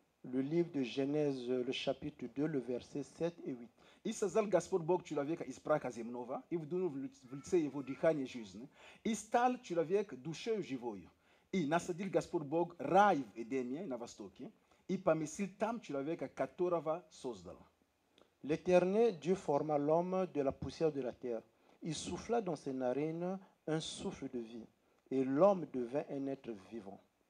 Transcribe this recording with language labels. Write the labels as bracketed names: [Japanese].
[French] Le livre de Genèse, le chapitre 2, le verset 7 et 8. [Russian] И создал Господь Бог человека из праха земного, и вдунул в лице его дыхание жизни, и стал человек душею живою. И насадил Господь Бог рай в Эдеме на востоке, и поместил там человека, которого создал. [French] L'Éternel Dieu forma l'homme de la poussière de la terre. Il souffla dans ses narines un souffle de vie, et l'homme devint un être vivant.